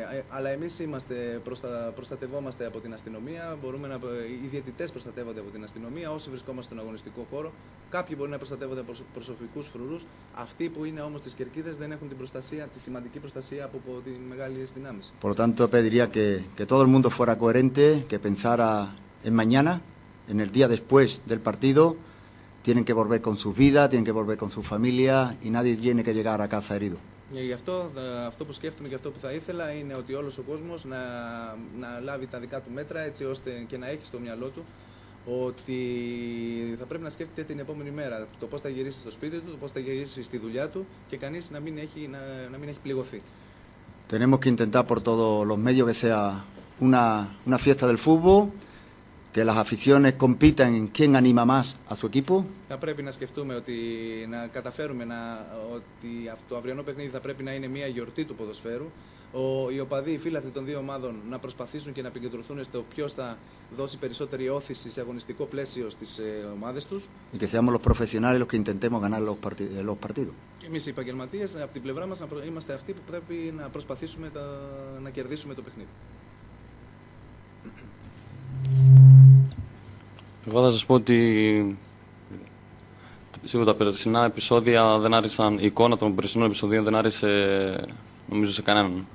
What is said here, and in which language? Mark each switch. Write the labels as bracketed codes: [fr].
[el] Αλλά εμείς είμαστε, προστατευόμαστε από την αστυνομία. Οι διαιτητές προστατεύονται από την αστυνομία. Όσοι βρισκόμαστε στον αγωνιστικό χώρο, κάποιοι μπορεί να προστατεύονται από προσωπικούς φρουρούς. Αυτοί που είναι όμως στις κερκίδες δεν έχουν την προστασία, τη σημαντική προστασία από τη μεγάλη δυνάμεις. [es] Por lo tanto, pediría que todo el mundo fuera coherente, que pensara en mañana, en el día después del partido. Tienen que volver con sus vidas, tienen que volver con su familia y nadie tiene que llegar a casa herido. [el] Γι' αυτό, αυτό που σκέφτομαι και αυτό που θα ήθελα είναι ότι όλος ο κόσμος να λάβει τα δικά του μέτρα, έτσι ώστε και να έχει στο μυαλό του ότι θα πρέπει να σκέφτεται την επόμενη μέρα, το πώς θα γυρίσει στο σπίτι του, το πώς θα γυρίσει στη δουλειά του και κανείς να μην έχει πληγωθεί. [es] Tenemos que intentar por todos los medios que sea una fiesta del fútbol. Que las aficiones compitan en quién anima más a su equipo. [el] Θα πρέπει να σκεφτούμε ότι να καταφέρουμε να, ότι αυτό το αυριανό παιχνίδι θα πρέπει να είναι μια γιορτή του ποδοσφαίρου. Οι οπαδοί, οι φίλαθλοι των δύο ομάδων να προσπαθήσουν και να επικεντρωθούν στο ποιος θα δώσει περισσότερη όθηση σε αγωνιστικό πλαίσιο στις ομάδες τους. [es] Y que seamos los profesionales los que intentemos ganar los partidos. [el] Εμείς οι επαγγελματίες, από την πλευρά μας, είμαστε αυτοί που πρέπει να προσπαθήσουμε να κερδίσουμε το παιχνίδι. Εγώ θα σας πω ότι σίγουρα τα περσινά επεισόδια δεν άρεσαν, η εικόνα των περσινών επεισοδίων δεν άρεσε νομίζω σε κανέναν.